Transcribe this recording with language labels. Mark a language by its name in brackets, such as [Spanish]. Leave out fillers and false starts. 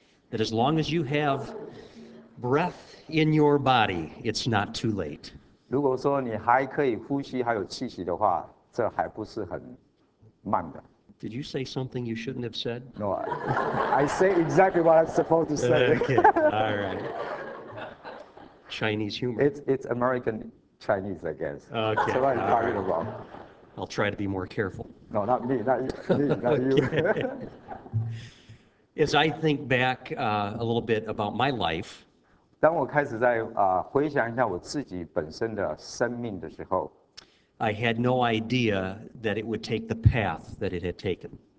[English] That as long as you have breath in your body, it's not too late. [Chinese] 如果说你还可以呼吸，还有气息的话，这还不是很慢的。 [English] Did you say something you shouldn't have said? No, I say exactly what I'm supposed to say. Okay, all right. Chinese humor. It's American Chinese, I guess. Okay, so I'm talking about. I'll try to be more careful. No, not me, not you. Okay. As I think back a little bit about my life, [Chinese] 当我开始在回想一下我自己本身的生命的时候, [English] I had no idea that it would take the path that it had taken.